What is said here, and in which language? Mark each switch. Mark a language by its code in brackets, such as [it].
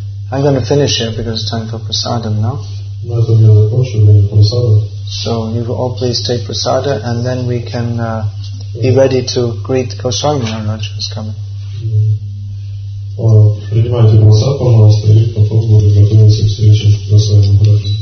[en] I'm going to finish here because it's time for prasadam now. [ru] На этом я закончу, время прасада. [en] So you all please take prasada, and then we can be ready to greet Goswami Maharaj who's coming. [ru] Принимайте голоса, пожалуйста, и потом будем готовиться к встрече с Госвами Махараджем.